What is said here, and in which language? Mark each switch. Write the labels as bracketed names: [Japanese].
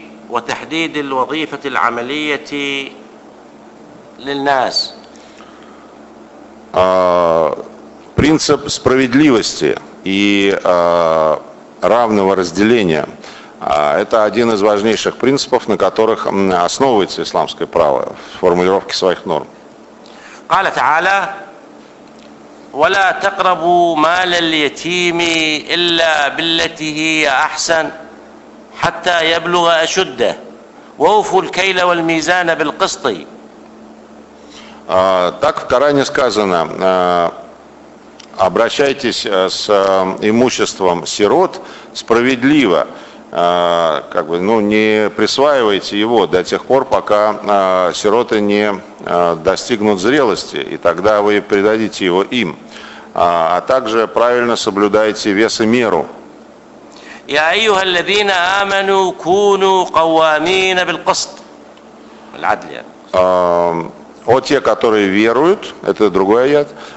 [Arabic] وتحديد الوظيفة العملية للناس. [Russian] Принцип справедливости и равного разделения – это один из важнейших принципов, на которых основывается исламское право в формулировке своих норм. [Arabic] قال تعالى: ولا تقربوا مال اليتيم إلا بالتي هي أحسن حتى يبلغ أشده وأوفوا الكيل والميزان بالقسط. [Russian] Так в Коране сказано: обращайтесь с имуществом сирот справедливо, как бы, ну, не присваивайте его до тех пор, пока сироты не достигнут зрелости, и тогда вы предадите его им. А также правильно соблюдайте вес и меру. [Arabic] يا أيها الذين آمنوا كونوا قوامين بالقسط العدل. [Russian] О те, которые веруют, это другой аят.